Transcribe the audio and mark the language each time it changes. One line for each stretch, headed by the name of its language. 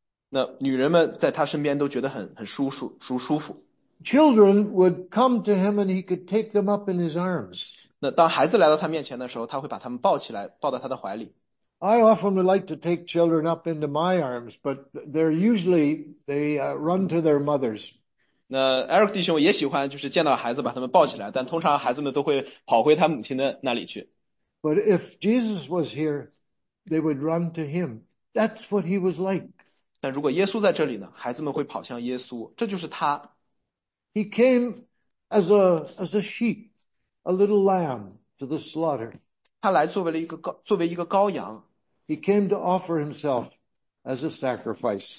Chinese: 那女人们在他身边都觉得很舒服。
English: Children would come to him and he could take them up in his arms.
Chinese: 那当孩子来到他面前的时候，他会把他们抱起来，抱到他的怀里。
English: I often would like to take children up into my arms, but they're usually, run to their mothers.
Chinese: 那Eric弟兄也喜欢就是见到孩子把他们抱起来，但通常孩子们都会跑回他母亲的那里去。
English: But if Jesus was here, they would run to him. That's what he was like.
Chinese: 但如果耶稣在这里呢，孩子们会跑向耶稣，这就是他。
English: He came as a sheep, a little lamb to the slaughter.
Chinese: 他来作为一个羔羊,
English: He came to offer himself as a sacrifice.